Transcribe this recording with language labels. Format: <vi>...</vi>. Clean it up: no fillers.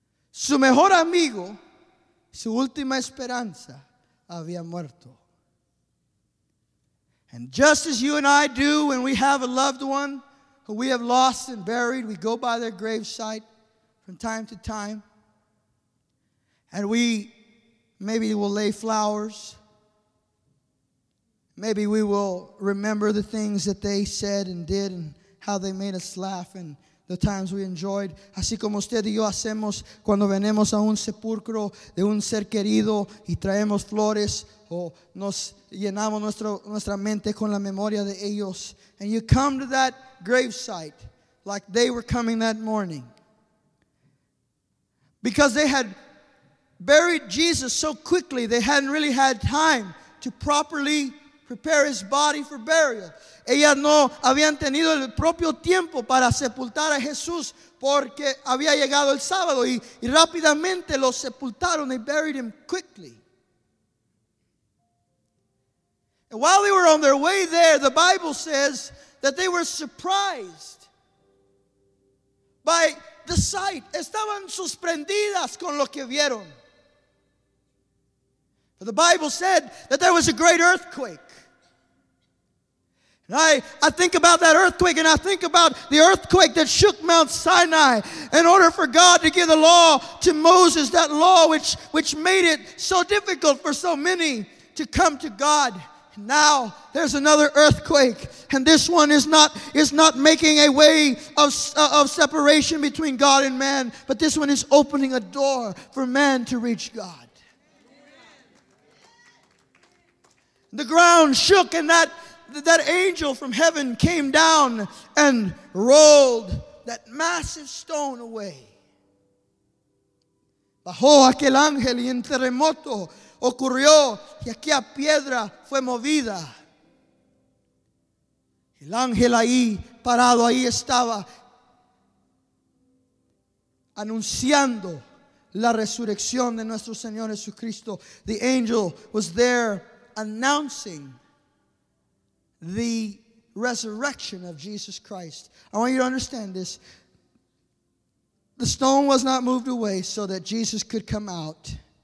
<es>Su mejor amigo, su última esperanza, había muerto.</es> <en>And just as you and I do when we have a loved one who we have lost and buried, we go by their gravesite from time to time, and we maybe will lay flowers. Maybe we will remember the things that they said and did and how they made us laugh and the times we enjoyed.</en> <es>Así como usted y yo hacemos cuando venimos a un sepulcro de un ser querido y traemos flores o nos llenamos nuestra mente con la memoria de ellos.</es> <en>And you come to that gravesite like they were coming that morning. Because they had buried Jesus so quickly, they hadn't really had time to properly prepare his body for burial.</en> <es>Ellas no habían tenido el propio tiempo para sepultar a Jesús porque había llegado el sábado y rápidamente lo sepultaron.</es> <en>They buried him quickly. And while they were on their way there, the Bible says that they were surprised by the sight.</en> <es>Estaban sorprendidas con lo que vieron.</es> <en>But the Bible said that there was a great earthquake. I think about that earthquake, and I think about the earthquake that shook Mount Sinai in order for God to give the law to Moses, that law which made it so difficult for so many to come to God. Now there's another earthquake, and this one is not making a way of separation between God and man, but this one is opening a door for man to reach God. The ground shook, and that angel from heaven came down and rolled that massive stone away.</en> <es>Bajó aquel ángel y un terremoto ocurrió y aquella piedra fue movida. El ángel ahí, parado ahí estaba, anunciando la resurrección de nuestro Señor Jesucristo.</es> <en>The angel was there announcing the resurrection of Jesus Christ. I want you to understand this. The stone was not moved away so that Jesus could come out.</en>